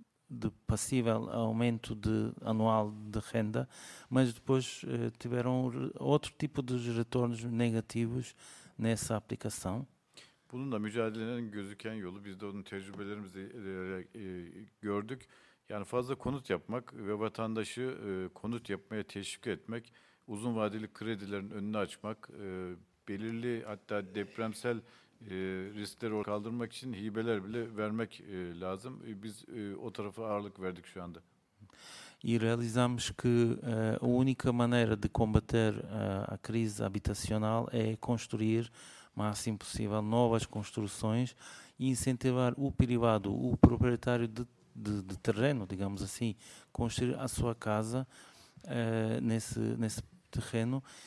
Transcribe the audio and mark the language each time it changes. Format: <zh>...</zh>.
<pt>de passível aumento anual de renda, mas depois tiveram outro tipo de retornos negativos nessa aplicação.</pt> <tr>Bununla mücadelenin gözüken yolu, biz de onun tecrübelerimizi gördük. Yani fazla konut yapmak ve vatandaşı konut yapmaya teşvik etmek, uzun vadeli kredilerin önünü açmak, belirli hatta depremsel riskleri kaldırmak için hibeler bile vermek lazım. Biz o tarafa ağırlık verdik şu anda.</tr> <pt>E realizamos que a única maneira de combater a crise habitacional é construir o máximo possível novas construções e incentivar o privado, o proprietário de terreno, digamos assim, construir a sua casa nesse terreno.</pt>